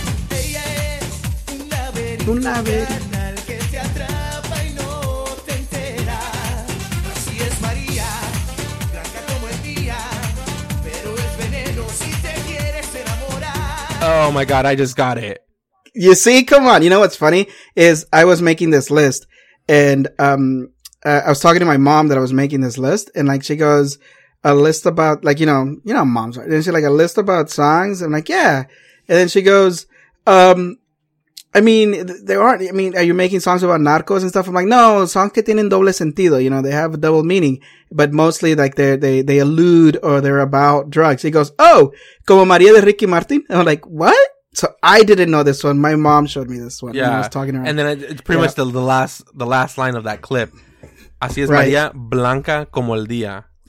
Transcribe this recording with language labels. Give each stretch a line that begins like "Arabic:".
Spanish: Ella es una verdad carnal que te atrapa y no te entera. Así es María, blanca como el día, pero es veneno si te quieres enamorar.
English: Oh my god, I just got it. You see, come on. You know what's funny is I was making this list and I was talking to my mom that I was making this list, and like she goes, a list about, like, you know, moms, right? And she's like, a list about songs. I'm like, yeah. And then she goes, are you making songs about narcos and stuff? I'm like, no, songs
Spanish: que tienen doble sentido.
English: You know, they have a double meaning, but mostly like they allude or they're about drugs. He goes, oh,
Spanish: como María de Ricky Martin.
English: And I'm like, what? So I didn't know this one. My mom showed me this one. Yeah. When I was talking to her. And then it's pretty much the last line of that clip.
Spanish: Así es, right. María, blanca como el día.